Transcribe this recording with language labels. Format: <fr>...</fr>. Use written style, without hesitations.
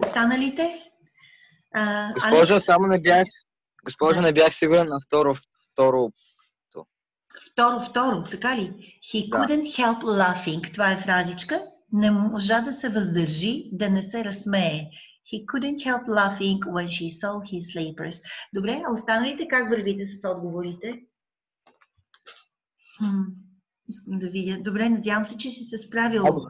<bg>Останалите? Госпожо, само не бях. Госпожо, не бях сигурен на второ. Второ, така ли?</bg> <en>He couldn't help laughing.</en> <bg>Това е фразичка. Не можа да се въздържи, да не се разсмее.</bg> <en>He couldn't help laughing when she saw his slippers.</en> <bg>Добре, а останалите как вървите с отговорите? Искам да видя. Добре, надявам се, че си се справил.</bg>